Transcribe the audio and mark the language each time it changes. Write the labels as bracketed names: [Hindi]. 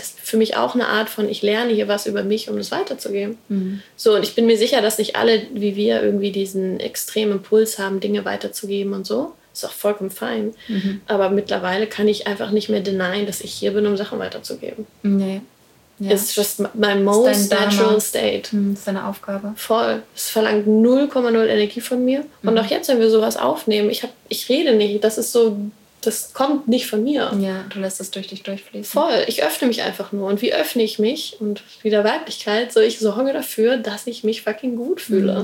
[German] Ist für mich auch eine Art von, ich lerne hier was über mich, um das weiterzugeben. Mhm. So, und ich bin mir sicher, dass nicht alle wie wir irgendwie diesen extremen Impuls haben, Dinge weiterzugeben und so. Ist auch vollkommen fein. Mhm. Aber mittlerweile kann ich einfach nicht mehr denyen, dass ich hier bin, um Sachen weiterzugeben. Nee. Ja. [English] It's just my most natural state. [German] Das ist deine Aufgabe. Voll. Es verlangt 0,0 Energie von mir. Mhm. Und auch jetzt, wenn wir sowas aufnehmen, ich rede nicht. Das ist so, das kommt nicht von mir. Ja, du lässt es durch dich durchfließen. Voll. Ich öffne mich einfach nur. Und wie öffne ich mich? Und wieder Weiblichkeit. So, ich sorge dafür, dass ich mich fucking gut fühle.